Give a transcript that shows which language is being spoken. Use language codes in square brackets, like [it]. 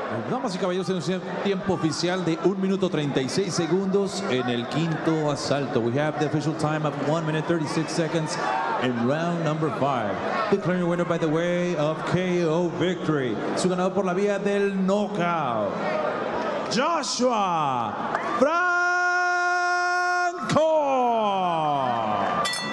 [es] Damas y caballeros, en un tiempo oficial de 1 minuto 36 segundos en el quinto asalto. [en] We have the official time of 1 minute 36 seconds in round number 5. Declaring your winner by the way of KO victory. [es] Su ganador por la vía del knockout, Joshua Franco.